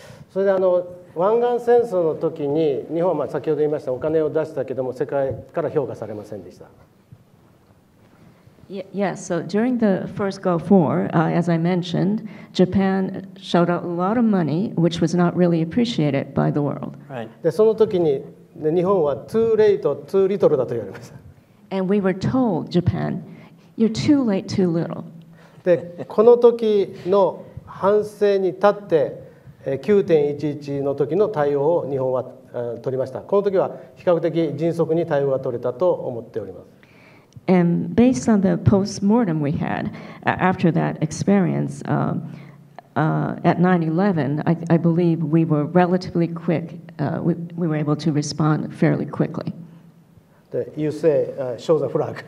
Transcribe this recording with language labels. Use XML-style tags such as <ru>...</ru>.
<ja>それであの湾岸戦争の時に日本はまあ先ほど言いましたお金を出したけども世界から評価されませんでした。</ja> <en>Yes, so during the first Gulf War, as I mentioned, Japan showed out a lot of money, which was not really appreciated by the world. Right.</en> <ja>でその時に日本は</ja> <en>too late, too little</en> <ja>だと言われました。</ja> <en>And we were told, Japan, you're too late, too little.</en> <ja>でこの時の反省に立って9.11 の時の対応を日本は取りました。この時は比較的迅速に対応が取れたと思っております。</ja> <en>And based on the post-mortem we had after that experience at 9/11, I believe we were relatively quick. We were able to respond fairly quickly. You say, show the flag.</en>